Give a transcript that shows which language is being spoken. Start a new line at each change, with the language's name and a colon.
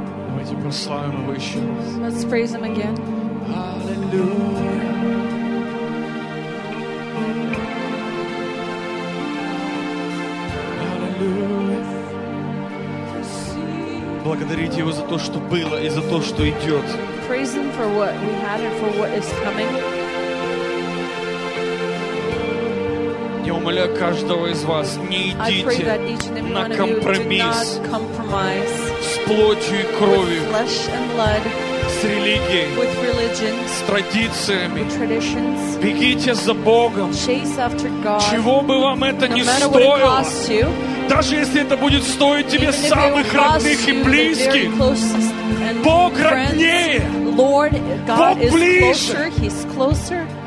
Russian: Давайте прославим Его еще раз.
English: Let's praise Him again. Hallelujah. Hallelujah.
Russian: Благодарите Его за то, что было, и за то, что идет.
English: Praise Him for what we had and for what is coming.
Russian: Я умоляю каждого из вас, не идите на компромисс с плотью и кровью, с религией, с традициями. Бегите за Богом. Чего бы вам это ни стоило, даже если это будет стоить тебе самых родных и близких, Бог роднее, Бог ближе.